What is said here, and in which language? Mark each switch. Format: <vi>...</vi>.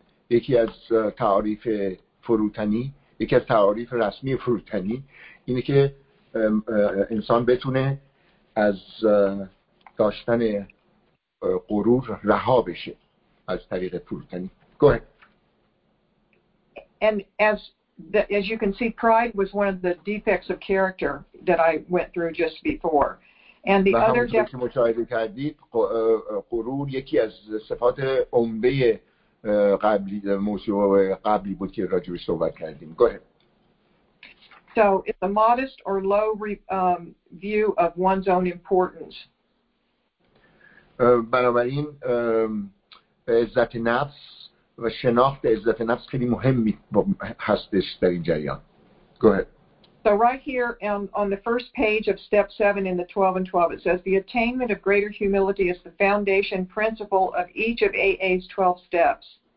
<fa>یکی از تعاریف فروتنی، یکی از تعاریف رسمی فروتنی اینه که انسان بتونه از داشتن غرور رها بشه از طریق فروتنی.</fa> <en>Go ahead. And as you can see, pride was one of the defects of character that I went through just before. And the other</en> <fa>که مشاهده کردید، غرور یکی از صفات عمده قبلی موضوع قبلی بود که راجع بهش صحبت کردیم.</fa> <en>Go ahead. So it's a modest or low view of one's own importance.</en> <fa>بنابراین عزت نفس و شناخت عزت نفس خیلی مهمی هستش در این جریان.</fa> <en>Go ahead. So right here on the first page of step 7 in the 12 and 12 it says the attainment of greater humility is the foundation principle of each of AA's 12 steps.</en>